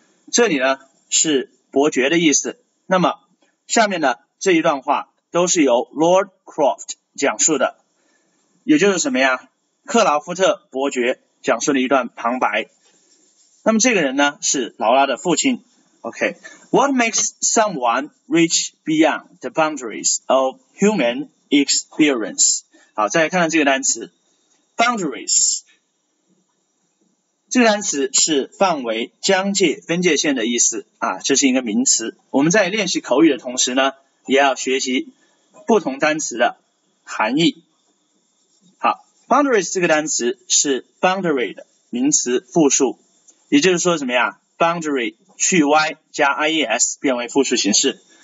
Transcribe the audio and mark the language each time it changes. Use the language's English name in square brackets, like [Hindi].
[Chinese] 这里呢是伯爵的意思。那么下面的这一段话都是由 Lord Croft 讲述的。也就是什么呀，克劳福特伯爵讲述了一段旁白。那么这个人呢是劳拉的父亲。 [English] OK， What makes someone reach beyond the boundaries of human experience? [Chinese] 好，再来看看这个单词 Boundaries。这个单词是范围、疆界、分界线的意思啊，这是一个名词。我们在练习口语的同时呢，也要学习不同单词的含义。 Boundaries 这个单词是 boundary 的名词复数，也就是说什么呀 ？boundary 去 y 加 ies 变为复数形式。